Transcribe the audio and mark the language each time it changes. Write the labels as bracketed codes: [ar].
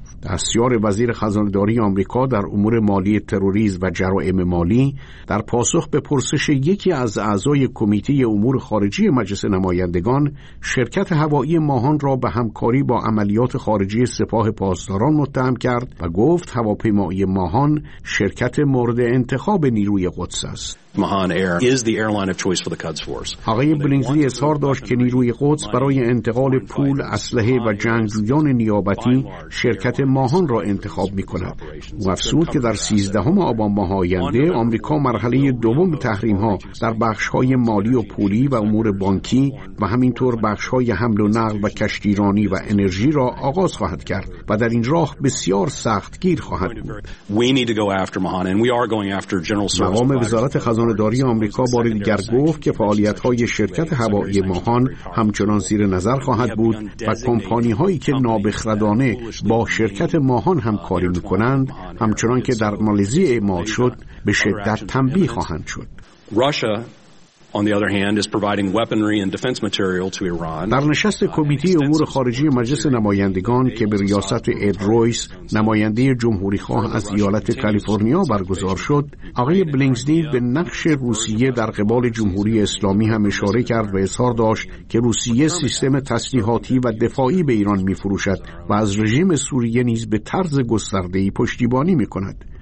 [fa] دستیار وزیر خزانه‌داری آمریکا در امور مالی تروریسم و جرائم مالی در پاسخ به پرسش یکی از اعضای کمیته امور خارجی مجلس نمایندگان، شرکت هوایی ماهان را به همکاری با عملیات خارجی سپاه پاسداران متهم کرد و گفت هواپیمایی ماهان شرکت مورد انتخاب نیروی قدس است. [en] Mahan Air is the airline of choice for the Quds Force. [fa] آقای بلینگزی اظهار داشت که نیروی قدس برای انتقال پول، اسلحه و جنگجویان نیابتی شرکت ماهان را انتخاب می‌کند. او افزود که در 13 آبان ماه آینده آمریکا مرحله دوم تحریم‌ها در بخش‌های مالی و پولی و امور بانکی و همینطور بخش‌های حمل و نقل و کشتیرانی و انرژی را آغاز خواهد کرد و در این راه بسیار سختگیر خواهد بود. [en] We need to go after Mahan and we are going after General Service. [fa] خزانه‌داری آمریکا بار دیگر گفت که فعالیت‌های شرکت هوایی ماهان همچنان زیر نظر خواهد بود و کمپانی‌هایی که نابخردانه با شرکت ماهان همکاری می‌کنند، همچنان که در مالزی اعمال شد، به شدت تنبیه خواهند شد. [en] On the other hand, is providing weaponry and defense material to Iran. [fa] در نشست کمیته امور خارجی مجلس نمایندگان که به ریاست اد رویس نماینده جمهوری‌خواه از ایالت کالیفرنیا برگزار شد، آقای بلینگزی به نقش روسیه در قبال جمهوری اسلامی هم اشاره کرد و اظهار داشت که روسیه سیستم تسلیحاتی و دفاعی به ایران می‌فروشد و از رژیم سوریه نیز به طرز گسترده‌ای پشتیبانی می‌کند.